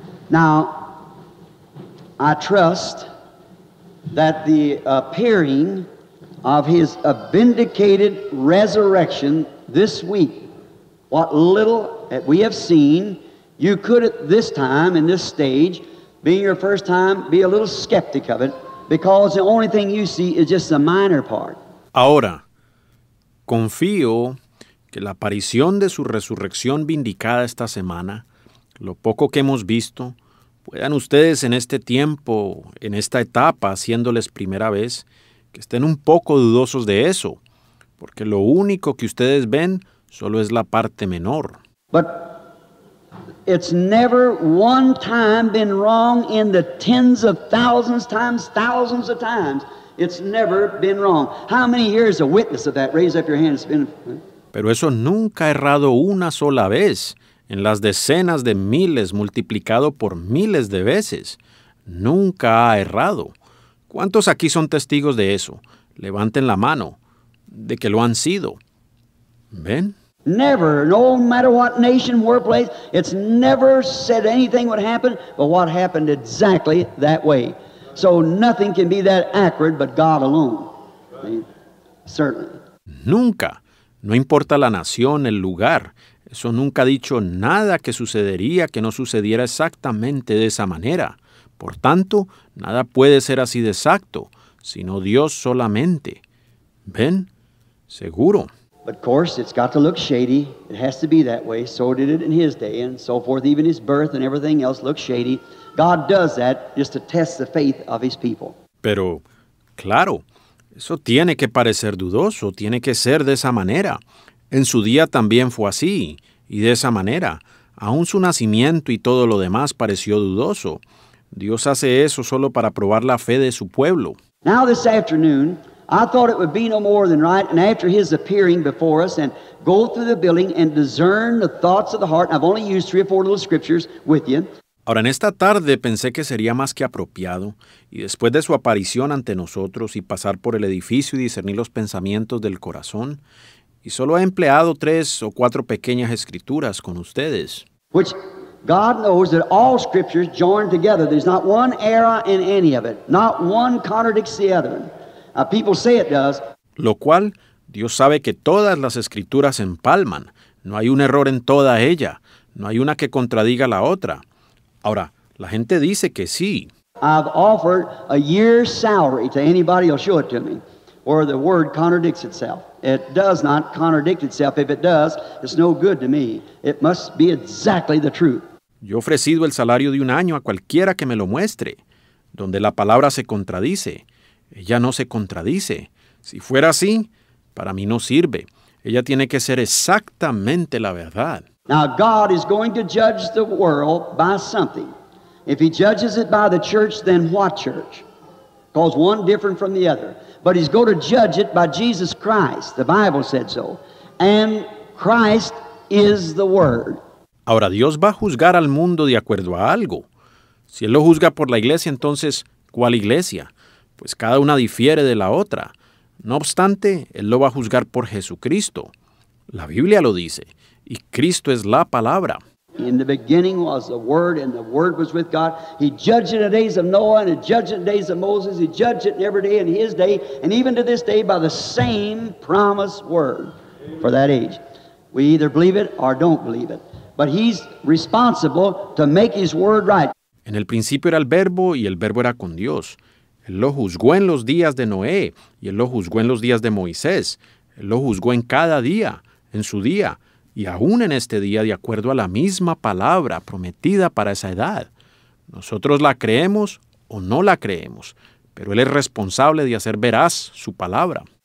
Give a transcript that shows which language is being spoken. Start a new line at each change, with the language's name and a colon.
English: Now, I trust that the appearing of his vindicated resurrection this week, what little that we have seen, you could at this time, in this stage, being your first time, be a little skeptic of it, because the only thing you see is just the minor part.
Spanish: Ahora, confío que la aparición de su resurrección vindicada esta semana, lo poco que hemos visto, puedan ustedes en este tiempo, en esta etapa, haciéndoles primera vez, que estén un poco dudosos de eso, porque lo único que ustedes ven solo es la parte menor.
English: But it's never one time been wrong in the tens of thousands of times. It's never been wrong. How many here is a witness of that? Raise up your hand.
Spanish: Pero eso nunca ha errado una sola vez. En las decenas de miles multiplicado por miles de veces. Nunca ha errado. ¿Cuántos aquí son testigos de eso? Levanten la mano. De que lo han sido. ¿Ven?
English: Never, no matter what nation or place, it's never said anything would happen, but what happened exactly that way. So nothing can be that accurate but God alone. Certainly.
Spanish: Nunca. No importa la nación, el lugar. Eso nunca ha dicho nada que sucedería que no sucediera exactamente de esa manera. Por tanto, nada puede ser así de exacto, sino Dios solamente. ¿Ven? Seguro.
English: But of course, it's got to look shady. It has to be that way. So did it in his day and so forth. Even his birth and everything else looks shady. God does that just to test the faith of his people.
Spanish: Pero, claro, eso tiene que parecer dudoso. Tiene que ser de esa manera. En su día también fue así, y de esa manera, aún su nacimiento y todo lo demás pareció dudoso. Dios hace eso solo para probar la fe de su pueblo.
English: Now this afternoon, I thought it would be no more than right, and after his appearing before us, and go through the building and discern the thoughts of the heart, and I've only used three or four little scriptures with you.
Spanish: Ahora, en esta tarde pensé que sería más que apropiado, y después de su aparición ante nosotros y pasar por el edificio y discernir los pensamientos del corazón, y solo he empleado 3 o 4 pequeñas escrituras con ustedes.
English: Which God knows that all scriptures joined together. There's not one error in any of it. Not one contradicts the other. Now, people say it does.
Spanish: Lo cual, Dios sabe que todas las escrituras empalman. No hay un error en toda ella. No hay una que contradiga la otra. Ahora, la gente dice que sí.
English: I've offered a year's salary to anybody who'll show it to me, or the word contradicts itself. It does not contradict itself. If it does, it's no good to me. It must be exactly the truth.
Spanish: Yo he ofrecido el salario de un año a cualquiera que me lo muestre, donde la palabra se contradice. Ella no se contradice. Si fuera así, para mí no sirve. Ella tiene que ser exactamente la verdad.
English: Now God is going to judge the world by something. If he judges it by the church, then what church? Because one different from the other. But he's going to judge it by Jesus Christ. The Bible said so. And Christ is the Word.
Spanish: Ahora Dios va a juzgar al mundo de acuerdo a algo. Si él lo juzga por la iglesia, entonces ¿cuál iglesia? Pues cada una difiere de la otra. No obstante, él lo va a juzgar por Jesucristo. La Biblia lo dice, y Cristo es la palabra.
English: In the beginning was the Word, and the Word was with God. He judged in the days of Noah, and he judged in the days of Moses. He judged it every day in his day, and even to this day by the same promised Word for that age. We either believe it or don't believe it. But he's responsible to make his Word right.
Spanish: En el principio era el Verbo, y el Verbo era con Dios. Él lo juzgó en los días de Noé, y él lo juzgó en los días de Moisés. Él lo juzgó en cada día, en su día, y aún en este día de acuerdo a la misma palabra prometida para esa edad. Nosotros la creemos o no la creemos, pero él es responsable de hacer veraz su palabra.